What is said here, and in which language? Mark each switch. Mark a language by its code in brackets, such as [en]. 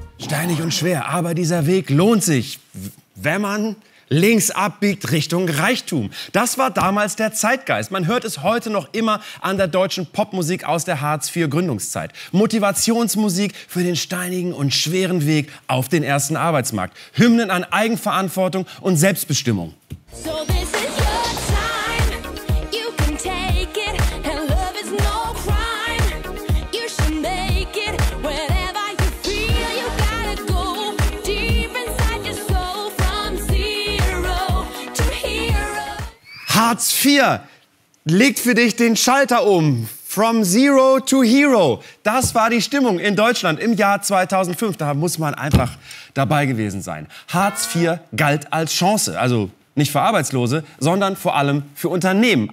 [de] Steinig und schwer, aber dieser Weg lohnt sich. Wenn man links abbiegt Richtung Reichtum. Das war damals der Zeitgeist. Man hört es heute noch immer an der deutschen Popmusik aus der Hartz-IV-Gründungszeit. Motivationsmusik für den steinigen und schweren Weg auf den ersten Arbeitsmarkt. Hymnen an Eigenverantwortung und Selbstbestimmung. [en] So this is your time, you can take it, and love is no crime, you should make it, wherever you feel you gotta go, deep inside your soul, from zero to hero. [de] Hartz IV legt für dich den Schalter um. [en] From Zero to Hero, [de] das war die Stimmung in Deutschland im Jahr 2005. Da muss man einfach dabei gewesen sein. Hartz IV galt als Chance, also nicht für Arbeitslose, sondern vor allem für Unternehmen.